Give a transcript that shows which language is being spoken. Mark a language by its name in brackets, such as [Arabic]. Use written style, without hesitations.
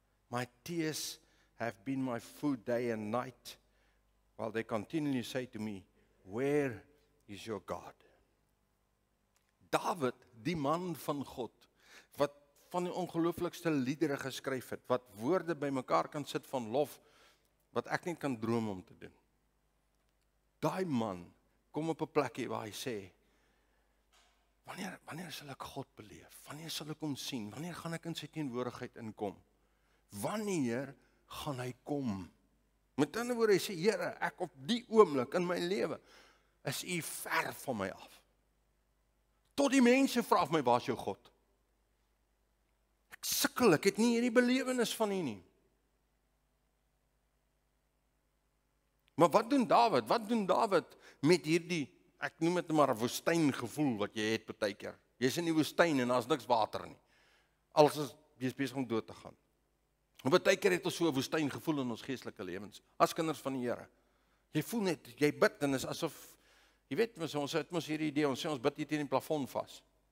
[English] My tears have been my food day and night, while they continually say to me, Where is your God? [Afrikaans] David, die man van God, wat van die ongelooflikste liedere geskryf het, wat woorde by mekaar kan sit van lof, wat ek nie kan droom om te doen. Daai man kom op 'n plekkie waar hy sê, wanneer sal ek God beleef? Wanneer sal ek hom sien? Wanneer gaan ek in sy teenwoordigheid inkom? Wanneer gaan hy kom? Met ander woorde, hy sê, Here, ek op die oomblik in my lewe, is u ver van my af. Tot die mense vra my, waar is jou God? Ek sukkel, ek het nie hierdie belewenis van u nie. Maar wat doen Dawid? Wat doen Dawid met hierdie, ek noem dit maar woestyn gevoel wat jy het partykeer. Jy's in die woestyn en daar's niks water nie. Als jy besig om dood te gaan. Maar partykeer het ons so 'n woestyn gevoel in ons geestelike lewens as kinders van die Here. Jy voel net jy bid en is asof jy weet mos ons het mos hierdie idee, ons sê ons bid hier teen die plafon vas.